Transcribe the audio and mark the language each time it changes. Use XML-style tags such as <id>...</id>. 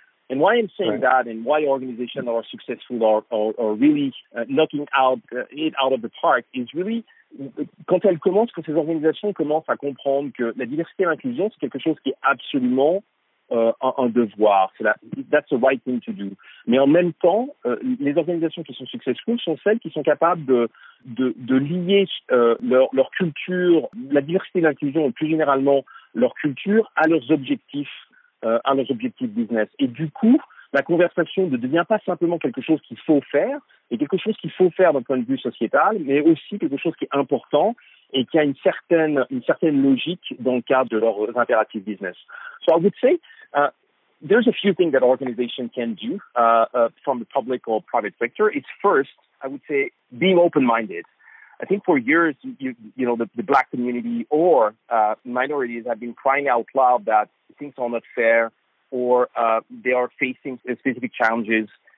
<en>And why I'm saying that, and why organizations are successful or really knocking out it out of the park, is really</en> <fr>quand elles commencent, quand ces organisations commencent à comprendre que la diversité et l'inclusion, c'est quelque chose qui est absolument un devoir. C'est la,</fr> <en>that's the right thing to do.</en> <fr>Mais en même temps, les organisations qui sont successful sont celles qui sont capables de lier leur culture, la diversité et l'inclusion, et plus généralement leur culture, à leurs objectifs business. Et du coup, la conversation ne devient pas simplement quelque chose qu'il faut faire, et quelque chose qu'il faut faire d'un point de vue sociétal, mais aussi quelque chose qui est important et qui a une certaine logique dans le cadre de leurs impératifs business.</fr> <en>So I would say there's a few things that organizations can do from the public or private sector. It's first, I would say, being open-minded. I think for years, the black community or minorities have been crying out loud that things are not fair or they are facing specific challenges.</en>